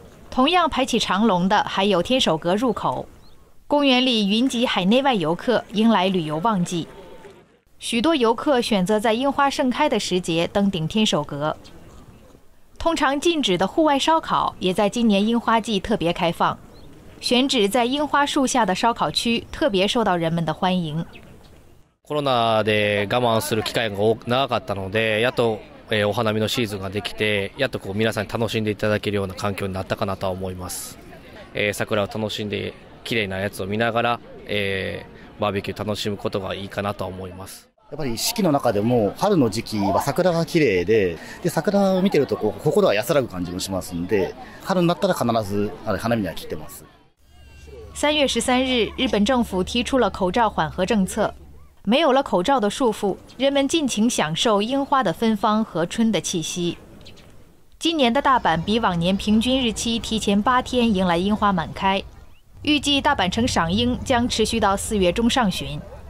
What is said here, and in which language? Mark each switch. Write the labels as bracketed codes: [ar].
[zh] 同样排起长龙的还有天守阁入口。公园里云集海内外游客，迎来旅游旺季。许多游客选择在樱花盛开的时节登顶天守阁。通常禁止的户外烧烤也在今年樱花季特别开放。选址在樱花树下的烧烤区特别受到人们的欢迎。 [ja] コロナで我慢する機会が長かったので、やっとお花見のシーズンができて、やっとこう皆さんに楽しんでいただけるような環境になったかなと思います。桜を楽しんで綺麗なやつを見ながら、バーベキュー楽しむことがいいかなと思います。やっぱり四季の中でも春の時期は桜が綺麗で、で桜を見てるとこう心は安らぐ感じもしますので、春になったら必ず花見には来てます。 [zh] 3月13日、日本政府提出了口罩缓和政策。没有了口罩的束缚，人们尽情享受樱花的芬芳和春的气息。今年的大阪比往年平均日期提前八天迎来樱花满开，预计大阪城赏樱将持续到四月中上旬。